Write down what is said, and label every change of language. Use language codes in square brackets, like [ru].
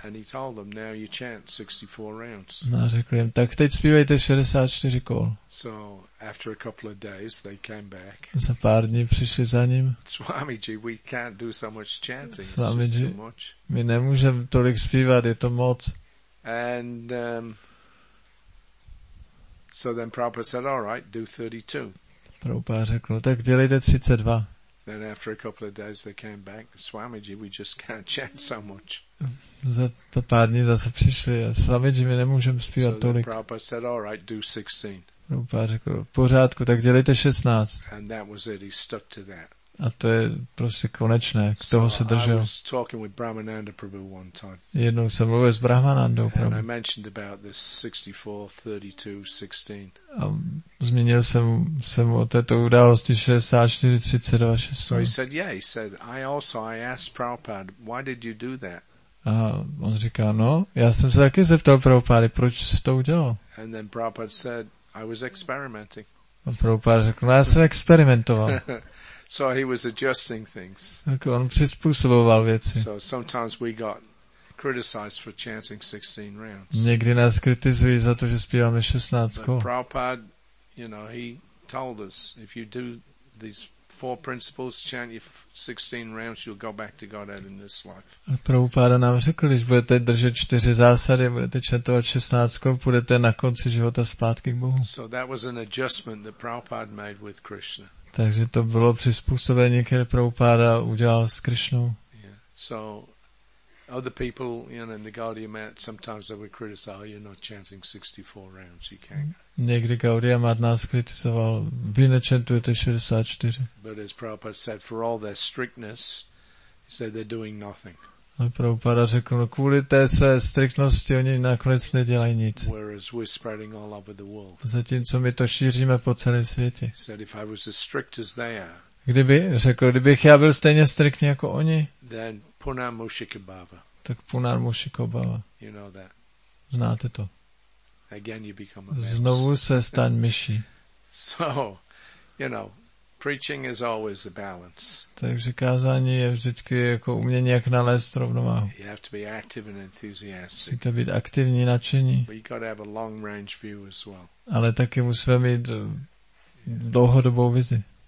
[en] And he told them, now you chant 64 rounds. [cs] A řekl jim, tak teď zpívejte 64 kol. [en] So after a couple of days they came back. [cs] Za pár dní přišli za ním. [en] Swamiji, we can't do so much chanting. [cs] Swamiji, my nemůžeme tolik zpívat, je to moc. [en] And so then Prabhupada said, all right, do 32. [cs] Prabhupada řekl, tak dělejte 32. [en] Then after a couple of days they came back. Swamiji, we just can't chant so much. [cs] Za pár dní zase přišli. Swamiji, my nemůžeme zpívat tolik. [en] So Prabhupada said, all right, do 16. [cs] Prabhupada řekl, v pořádku, tak dělejte 16. [en] And that was it. He stuck to that. [cs] A to je prostě konečné, k toho se držel. [en] I was talking with Brahmananda Prabhu one time. [cs] Jednou jsem mluvil s Brahmanandou Prabhu. [en] And I mentioned about this 64, 32, 16. [cs] A zmínil jsem o této události 64, 32, 16. [en] So he said, yeah, he said, I asked Prabhupada, why did you do that? [cs] A on říká, no, já jsem se taky zeptal Prabhupady, proč jsi to udělal? [en] And then Prabhupada said, I was experimenting. [cs] A Prabhupada řekl, no, já jsem experimentoval. [en] So he was adjusting things. [cs] Tak on přizpůsoboval věci. [en] So sometimes we got criticized for chanting 16 rounds. [cs] Někdy nás kritizují za to, že zpíváme 16 kol. [en] Prabhupada, you know, he told us, if you do these four principles, chant your 16 rounds, you'll go back to Godhead in this life. [cs] Prabhupada nám řekl, když budete držet čtyři zásady, budete chantovat 16 kol, budete na konci života zpátky k Bohu. [en] So that was an adjustment that Prabhupada made with Krishna. [cs] Takže to bylo přizpůsobení, které Prabhupada udělal s Krishnou. [en] Yeah. So other people, you know, in the Gaudiya Math, sometimes they would criticize, you're not chanting 64 rounds, you can't. [cs] Někdy Gaudiya Math nás kritizoval, vy nečantujete 64. [en] But as Prabhupada said, for all their strictness, he said they're doing nothing. [cs] Ale Prabhupada řekl, no, kvůli té své striktnosti oni nakonec nedělají nic. [en] Whereas we're spreading all over the world. [cs] Zatímco my to šíříme po celém světě. [en] Said, if I was as strict as they are, [cs] kdyby, řekl, kdybych já byl stejně striktní jako oni, [en] then Punar Mushikabhava. [cs] Tak Punar Mushikabhava. [en] You know that. [cs] Znáte to. [en] Again you become a [cs] znovu se staň myší. [en] So, you know, preaching is always a balance. [cs] Takže kázání je vždycky jako umění, jak nalézt rovnováhu. [en] You have to be active and enthusiastic. [cs] Musíte být aktivní, nadšení. [en] But you got to have a long range view as well. [cs] Ale taky musíme mít dlouhodobou vizi.